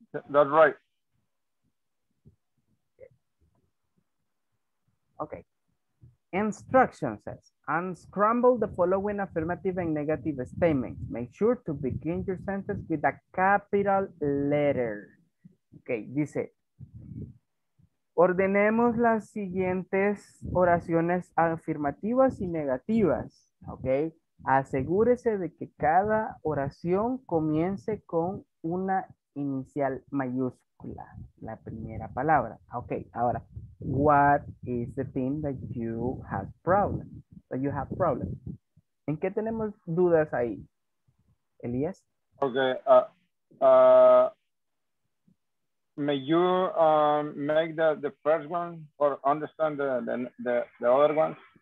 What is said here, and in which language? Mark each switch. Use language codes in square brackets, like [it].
[en] That's right. Okay, instructions says, unscramble the following affirmative and negative statements. Make sure to begin your sentence with a capital letter. [es] Okay, dice, ordenemos las siguientes oraciones afirmativas y negativas. Okay, asegúrese de que cada oración comience con una inicial mayúscula. La primera palabra. [en] Okay, [es] ahora, [en] what is the thing that you have problem? That you have problem. [es] ¿En qué tenemos dudas ahí? Elías. [en] Okay. May you make the first one or understand the other ones?